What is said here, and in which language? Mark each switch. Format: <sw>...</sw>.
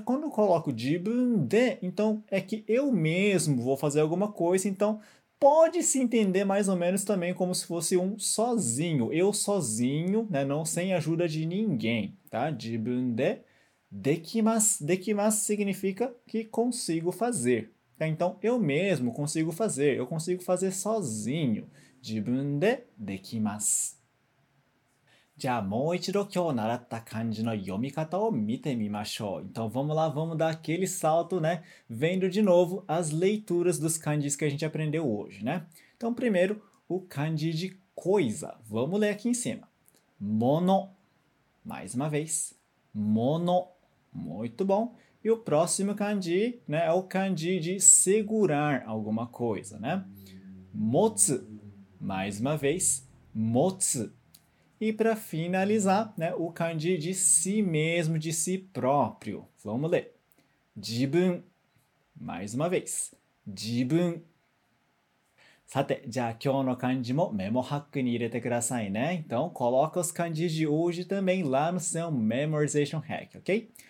<pt>Quando eu coloco jibun de, então é que eu mesmo vou fazer alguma coisa, então pode se entender mais ou menos também como se fosse um sozinho, eu sozinho, né? Não sem ajuda de ninguém, tá? Jibun de dekimasu. Dekimasu significa que consigo fazer. Então, eu mesmo consigo fazer. Eu consigo fazer sozinho.</pt> <ja>自分でできます。じゃあ、もう一度今日習った漢字の読み方を見てみましょう。</ja> <pt>Então, vamos lá, vamos dar aquele salto, né? Vendo de novo as leituras dos kanjis que a gente aprendeu hoje, né? Então, primeiro, o kanji de coisa. Vamos ler aqui em cima. Mono. Mais uma vez. Mono. Muito bom. E o próximo kanji, né, é o kanji de segurar alguma coisa, né? Motsu. Mais uma vez, motsu. E para finalizar, né, o kanji de si mesmo, de si próprio. Vamos ler. Jibun. Mais uma vez. Jibun.</pt> <ja>さて、じゃあ今日の漢字もメモハックに入れてくださいね。</ja> <pt>Então, coloca os kanjis de hoje também lá no seu memorization hack, ok?</pt>